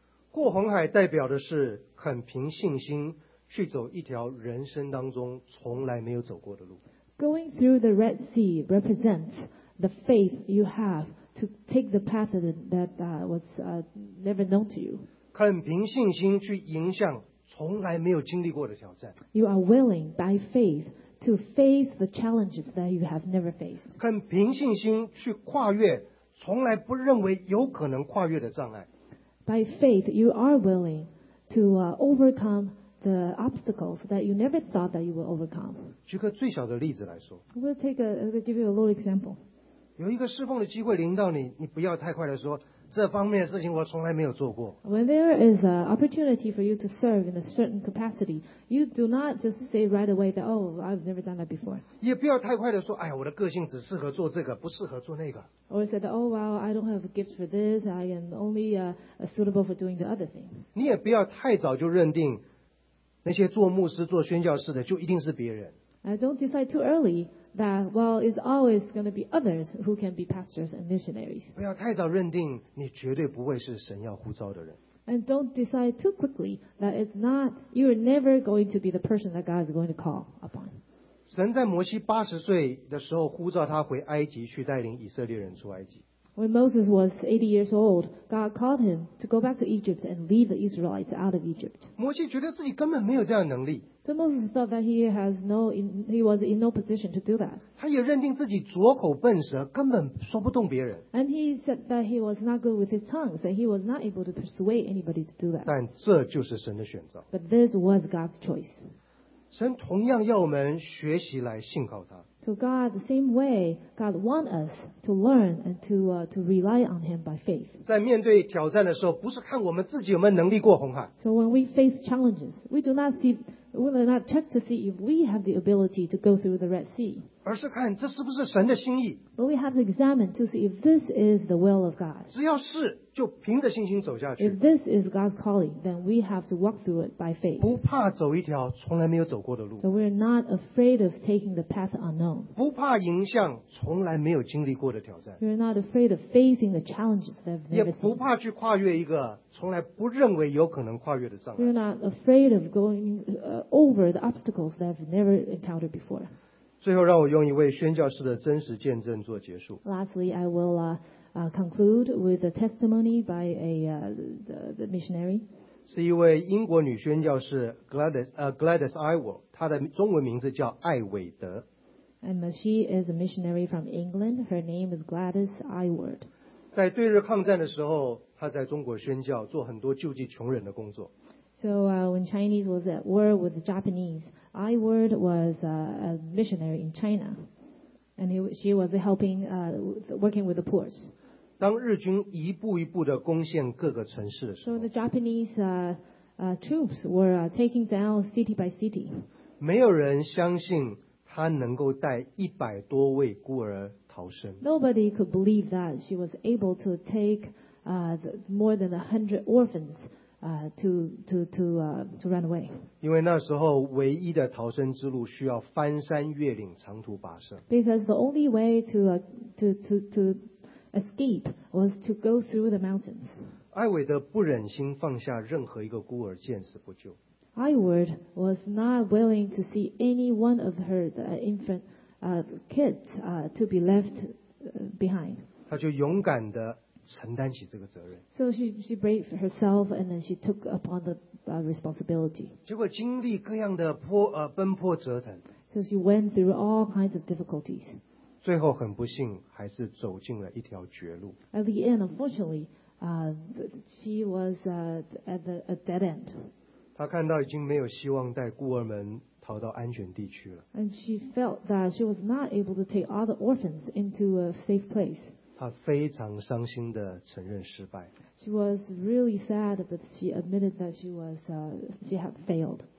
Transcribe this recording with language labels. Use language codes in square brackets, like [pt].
[zh] 过红海代表的是肯凭信心去走一条人生当中从来没有走过的路。 [en] Going through the Red Sea represents the faith you have to take the path that was never known to you. [zh] 肯凭信心去迎向从来没有经历过的挑战。 [en] You are willing by faith. To face the challenges that you have never faced. [zh] 肯凭信心去跨越从来不认为有可能跨越的障碍。 [en] By faith, you are willing to overcome the obstacles that you never thought that you would overcome. [zh] 举个最小的例子来说。 [en] We'll give you a little example. [zh] 有一个侍奉的机会临到你，你不要太快的说这方面的事情我从来没有做过。 [en] When there is an opportunity for you to serve in a certain capacity, you do not just say right away that, oh, I've never done that before. [zh] 也不要太快地说，哎呀，我的个性只适合做这个，不适合做那个。 [en] Or say that, oh, well, I don't have a gift for this, I am only suitable for doing the other thing. [zh] 你也不要太早就认定那些做牧师、做宣教士的就一定是别人。 [en] I don't decide too early. That, well, it's always going to be others who can be pastors and missionaries. [zh] 不要太早认定你绝对不会是神要呼召的人。 [en] And don't decide too quickly that it's not, you're never going to be the person that God is going to call upon. [zh] 神在摩西八十岁的时候呼召他回埃及去带领以色列人出埃及。 [en] When Moses was 80 years old, God called him to go back to Egypt and lead the Israelites out of Egypt. [zh] 摩西觉得自己根本没有这样的能力。 [en] So Moses thought that he was in no position to do that. [zh] 他也认定自己拙口笨舌，根本说不动别人。 [en] And he said that he was not good with his tongue, so he was not able to persuade anybody to do that. [zh] 但这就是神的选择。 [en] But this was God's choice. [zh] 神同样要我们学习来信靠他。 [en] So God, the same way, God wants us to learn and to rely on Him by faith. [zh] 在面对挑战的时候，不是看我们自己有没有能力过红海。 [en] So when we face challenges, we do not check to see if we have the ability to go through the Red Sea. [zh] 而是看这是不是神的心意。 [en] But we have to examine to see if this is the will of God. [zh] 只要是，就凭着信心走下去。 [en] If this is God's calling, then we have to walk through it by faith. [zh] 不怕走一条从来没有走过的路。 [en] So we're not afraid of taking the path unknown. [zh] 不怕迎向从来没有经历过的挑战。 [en] We're not afraid of facing the challenges that we've never seen. [zh] 也不怕去跨越一个从来不认为有可能跨越的障碍。 [en] We're not afraid of going over the obstacles that we've never encountered before. [zh] 最后，让我用一位宣教士的真实见证做结束。 [en] Lastly, I will. Conclude with a testimony by the missionary. [zh] 是一位英国女宣教士 Gladys Iwell, 她的中文名字叫艾伟德。 [en] And she is a missionary from England. Her name is Gladys Iwell. [zh] 在对日抗战的时候，她在中国宣教，做很多救济穷人的工作。 [en] So when Chinese was at war with the Japanese, I word was a missionary in China. And she was helping, working with the poor. [zh] 当日军一步一步地攻陷各个城市的时候 [en] So the Japanese troops were taking down city by city. [zh] 没有人相信他能够带一百多位孤儿逃生 [en] Nobody could believe that she was able to take more than 100 orphans to run away. [zh] 因为那时候唯一的逃生之路需要翻山越岭长途跋涉 [en] Because the only way to escape was to go through the mountains. [zh] 艾维德不忍心放下任何一个孤儿见死不救 [en] Iward was not willing to see any one of her infant kids to be left behind. [zh] 他就勇敢地承担起这个责任 [en] So she braved herself and then she took upon the responsibility. [zh] 结果经历各样的奔波折腾 [en] So she went through all kinds of difficulties. [zh] 最后很不幸还是走进了一条绝路 [en] At the end, unfortunately, she was at a dead end. [zh] 她看到已经没有希望带孤儿们逃到安全地区了 [en] And she felt that she was not able to take all the orphans into a safe place. [zh] 她非常伤心地承认失败 [en] She was really sad, but she admitted that she had failed.